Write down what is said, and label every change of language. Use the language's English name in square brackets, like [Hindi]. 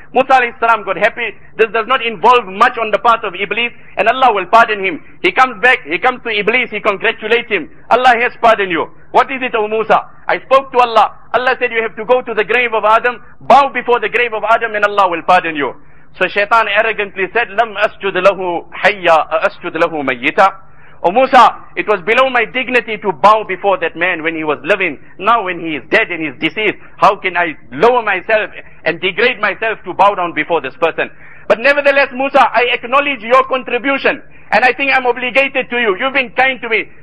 [English] Musa alayhi salam got happy. This does not involve much on the part of Iblis, and Allah will pardon him. He comes back, he comes to Iblis, he congratulates him. Allah has pardoned you. What is it, O Musa? I spoke to Allah. Allah said you have to go to the grave of Adam, bow before the grave of Adam, and Allah will pardon you. So Shaitan arrogantly said, [Arabic] لَمْ أَسْجُدْ لَهُ حَيَّا أَسْجُدْ لَهُ مَيِّتًا. [English] O Musa, it was below my dignity to bow before that man when he was living. Now when he is dead and he is deceased, how can I lower myself and degrade myself to bow down before this person? But nevertheless, Musa, I acknowledge your contribution, and I think I'm obligated to you. You've been kind to me.